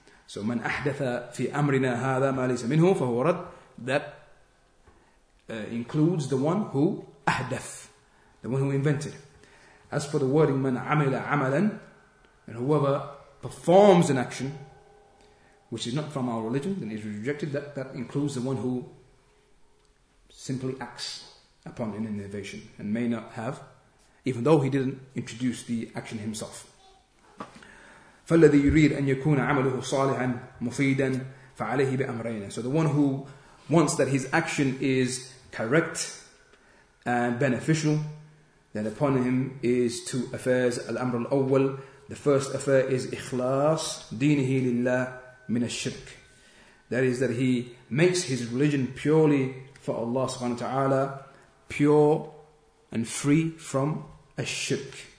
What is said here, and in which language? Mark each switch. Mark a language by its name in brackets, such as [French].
[Arabic] So من أحدث في أمرنا هذا ما ليس منه فهو رد. [English] That includes the one who أحدث, the one who invented. As for the wording [Arabic] من عمل عملا, [English] and whoever performs an action which is not from our religion, then is rejected. That includes the one who simply acts upon an innovation and may not have, even though he didn't introduce the action himself. [Arabic] فالذي يريد أن يكون عمله صالحا مفيدا فعليه بأمرين. [English] So the one who wants that his action is correct and beneficial, then upon him is two affairs. [Arabic] Al-amr al-awwal, [English] the first affair is [Arabic] ikhlas dinihi lillah min ash-shirk. [English] That is, that he makes his religion purely for Allah subhanahu wa ta'ala, pure and free from ash-shirk.